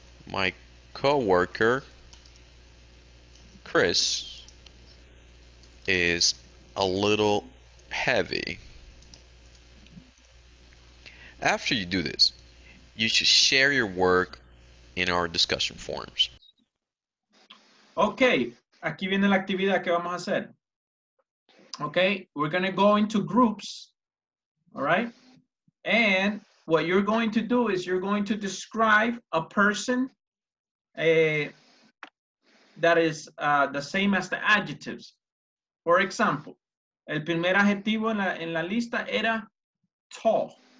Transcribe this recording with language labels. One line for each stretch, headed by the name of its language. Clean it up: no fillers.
English: My coworker Chris is a little heavy. After you do this, you should share your work in our discussion forums.
Spanish: Okay, aquí viene la actividad que vamos a hacer.
English: Okay, we're gonna go into groups, all right? And what you're going to do is you're going to describe a person that is the same as the adjectives.
Spanish: For example, el primer adjetivo en la lista era tall.